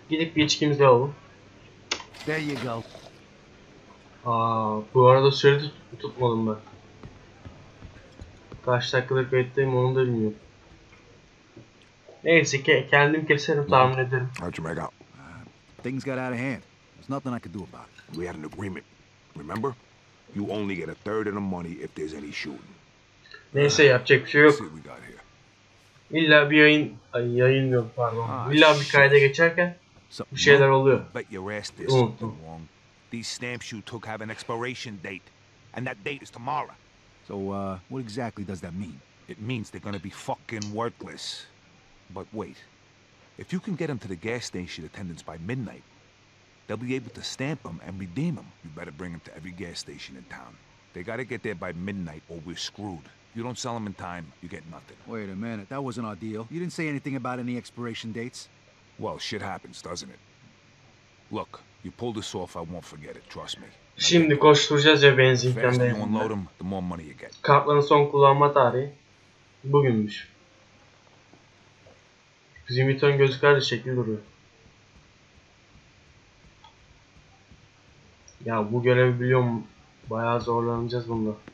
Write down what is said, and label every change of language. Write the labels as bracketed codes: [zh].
[tr] Gidip bir içkimizi alalım. [en] There you go. [tr] Aa, bu arada söyledi tutmadım ben. Kaç dakikada kayıttayım onu da bilmiyorum. Neyse ki kendim keserim tahmin ederim. [en] Archimago. Things got out of hand. There's nothing I could do about it. We had an agreement. Remember? You only get a third of the money if there's any shooting. [tr] Neyse yapacak bir şey yok. İlla bir yayın yayınlıyor pardon. İlla bir kayda geçerken bir şeyler oluyor. [en] But your ass is wrong. These stamps you took have an expiration date, and that date is tomorrow. So, what exactly does that mean? It means they're gonna be fucking worthless. But wait, if you can get them to the gas station attendants by midnight, they'll be able to stamp them and redeem them. You better bring them to every gas station in town. They gotta get there by midnight, or we're screwed. If you don't sell them in time, you get nothing. Wait a minute, that wasn't our deal. You didn't say anything about any expiration dates. Well, shit happens, doesn't it? Look. You pull this off, I won't forget it. Trust me. [tr] Şimdi koşturacağız ya benzin kendine. Kartların son kullanma tarihi bugünmüş. Zimiton gözüküyor da şekli duruyor. Ya bu görevi biliyorum. Bayağı zorlanacağız bunda.